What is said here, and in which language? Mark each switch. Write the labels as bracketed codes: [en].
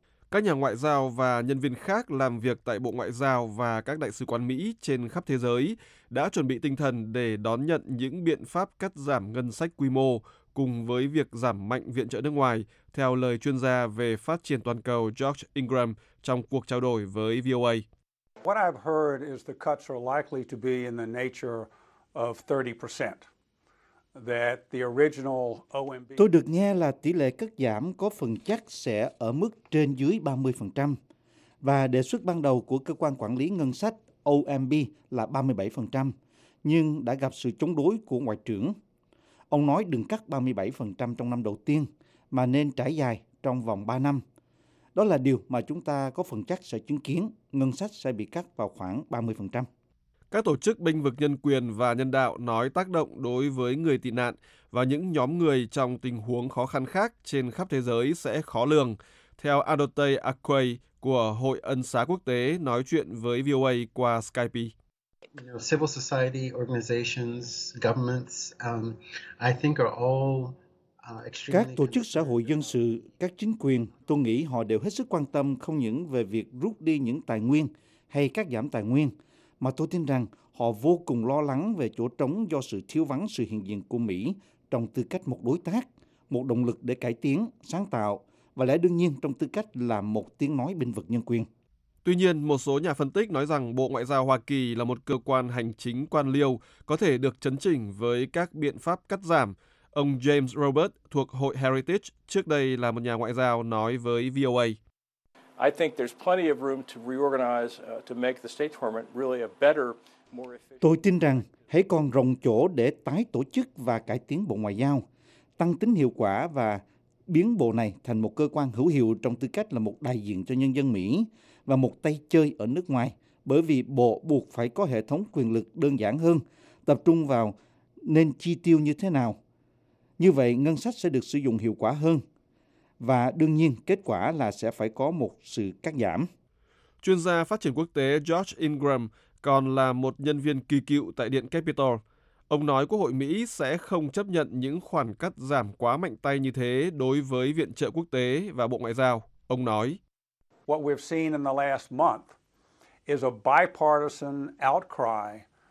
[vi] Các nhà ngoại giao và nhân viên khác làm việc tại Bộ Ngoại giao và các đại sứ quán Mỹ trên khắp thế giới đã chuẩn bị tinh thần để đón nhận những biện pháp cắt giảm ngân sách quy mô cùng với việc giảm mạnh viện trợ nước ngoài, theo lời chuyên gia về phát triển toàn cầu George Ingram trong cuộc trao đổi với VOA. [en] What I've heard is the cuts are likely to be in the nature of 30%. That the original OMB. [vi] Tôi được nghe là tỷ lệ cắt giảm có phần chắc sẽ ở mức trên dưới 30%. Và đề xuất ban đầu của cơ quan quản lý ngân sách OMB là 37%, nhưng đã gặp sự chống đối của ngoại trưởng. Ông nói đừng cắt 37% trong năm đầu tiên, mà nên trải dài trong vòng 3 năm. Đó là điều mà chúng ta có phần chắc sẽ chứng kiến, ngân sách sẽ bị cắt vào khoảng 30%. Các tổ chức binh vực nhân quyền và nhân đạo nói tác động đối với người tị nạn và những nhóm người trong tình huống khó khăn khác trên khắp thế giới sẽ khó lường. theo Adote Akwey của Hội Ân xá Quốc tế nói chuyện với VOA qua Skype. [en] Civil society organizations, governments, I think are all [vi] Các tổ chức xã hội dân sự, các chính quyền, tôi nghĩ họ đều hết sức quan tâm không những về việc rút đi những tài nguyên hay cắt giảm tài nguyên, mà tôi tin rằng họ vô cùng lo lắng về chỗ trống do sự thiếu vắng sự hiện diện của Mỹ trong tư cách một đối tác, một động lực để cải tiến, sáng tạo, và lẽ đương nhiên trong tư cách là một tiếng nói bên vực nhân quyền. Tuy nhiên, một số nhà phân tích nói rằng Bộ Ngoại giao Hoa Kỳ là một cơ quan hành chính quan liêu có thể được chấn chỉnh với các biện pháp cắt giảm. Ông James Robert thuộc Hội Heritage, trước đây là một nhà ngoại giao, nói với VOA. [en] I think there's plenty of room to reorganize to make the State Department really a better, more efficient. [vi] Tôi tin rằng hãy còn rộng chỗ để tái tổ chức và cải tiến Bộ Ngoại giao, tăng tính hiệu quả và biến bộ này thành một cơ quan hữu hiệu trong tư cách là một đại diện cho nhân dân Mỹ và một tay chơi ở nước ngoài, bởi vì bộ buộc phải có hệ thống quyền lực đơn giản hơn, tập trung vào nên chi tiêu như thế nào. Như vậy, ngân sách sẽ được sử dụng hiệu quả hơn. Và đương nhiên, kết quả là sẽ phải có một sự cắt giảm. Chuyên gia phát triển quốc tế George Ingram còn là một nhân viên kỳ cựu tại Điện Capitol. Ông nói Quốc hội Mỹ sẽ không chấp nhận những khoản cắt giảm quá mạnh tay như thế đối với viện trợ quốc tế và Bộ Ngoại giao. Ông nói, [en] What we've seen in the last month is a bipartisan outcry.